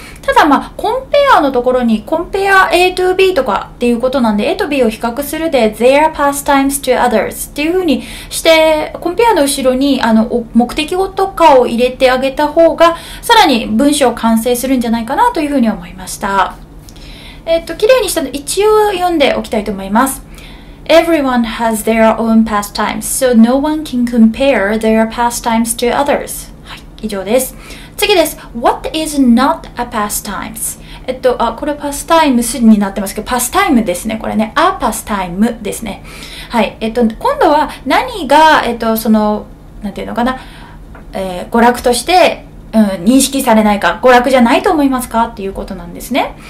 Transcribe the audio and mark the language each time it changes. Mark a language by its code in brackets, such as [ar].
[ja] ただまあコンペアのところにコンペア A to B とかっていうことなんで、 A と B を比較するで [en] their pastimes to others [ja] っていう風にして、コンペアの後ろに目的語とかを入れてあげた方がさらに文章を完成するんじゃないかなという風に思いました。綺麗にしたの一応読んでおきたいと思います。 [en] Everyone has their own pastimes, so no one can compare their pastimes to others. [ja] はい、以上です。次です。 [en] What is not a pastimes? [ja] これパスタイムスになってますけど、パスタイムですね。これね、a pastime ですね。はい、今度は何が、なんていうのかな、娯楽として、認識されないか、娯楽じゃないと思いますかっていうことなんですね。